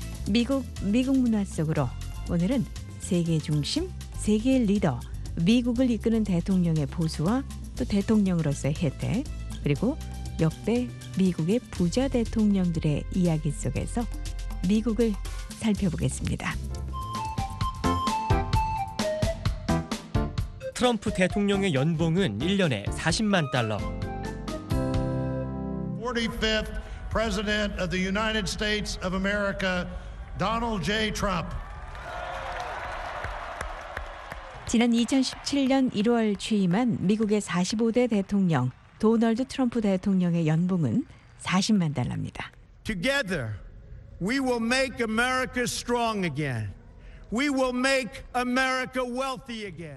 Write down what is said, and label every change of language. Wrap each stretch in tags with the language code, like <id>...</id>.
<ko>미국 문화 속으로 오늘은 세계 중심, 세계 리더, 미국을 이끄는 대통령의 보수와 또 대통령으로서의 혜택, 그리고 역대 미국의 부자 대통령들의 이야기 속에서 미국을 살펴보겠습니다. 트럼프 대통령의 연봉은 1년에 40만 달러.</ko> <en>45th President of the United States of America, Donald J. Trump.</en> <ko>지난 2017년 1월 취임한 미국의 45대 대통령 도널드 트럼프 대통령의 연봉은 40만 달러입니다.</ko> <en>Together, we will make America strong again. We will make America wealthy again.</en>